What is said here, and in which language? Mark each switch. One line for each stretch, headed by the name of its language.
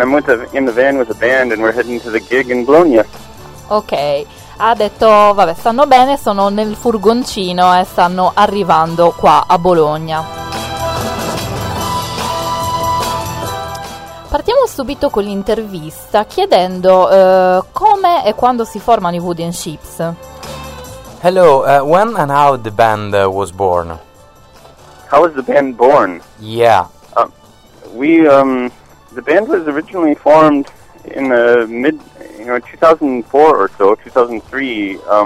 English: I'm with in the van with a band and we're heading to the gig in Bologna. Ok.
Italian: Ha detto, vabbè, stanno bene, sono nel furgoncino e stanno arrivando qua a Bologna. Partiamo subito con l'intervista chiedendo come e quando si formano i Wooden Sheeps.
English: Hello, when and how the band was born? How was the band born? Yeah. The band was originally formed in the mid, 2004 or so, 2003.